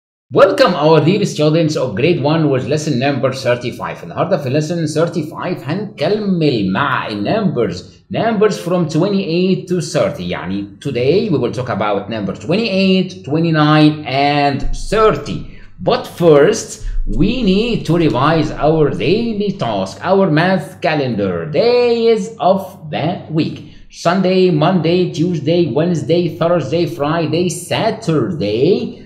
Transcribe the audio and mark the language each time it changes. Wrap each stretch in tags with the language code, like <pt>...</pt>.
<en>Welcome our dear students of grade 1 with lesson number 35.</en> <ar>النهاردة في lesson 35 هنكمل مع numbers.</ar> <en>Numbers from 28 to 30. يعني today we will talk about number 28, 29 and 30. But first we need to revise our daily task, our math calendar, days of the week. Sunday, Monday, Tuesday, Wednesday, Thursday, Friday, Saturday.</en>